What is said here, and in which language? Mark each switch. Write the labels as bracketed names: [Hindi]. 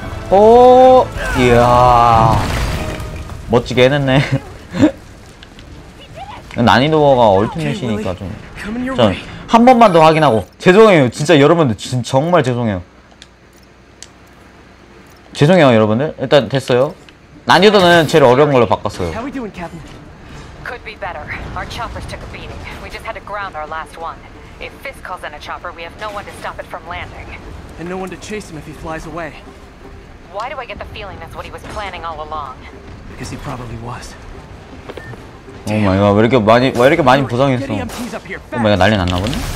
[Korean] 오 이야 멋지게 해냈네 난이도가 얼티밋이니까 좀 전 한 번만 더 확인하고 죄송해요 진짜 여러분들 정말 죄송해요 죄송해요 여러분들 일단 됐어요 난이도는 제일 어려운 걸로 바꿨어요 [English] Could be better. Our choppers took a beating. We just had to ground our last one. If Fisk calls in a chopper, we have no one to stop it from landing. And no one to chase him if he flies away. Why do I get the feeling that's what he was planning all along? Because he probably was. Oh my god, [Korean] 왜 이렇게 많이 부상했어? Oh my god, 난리 났나 보네?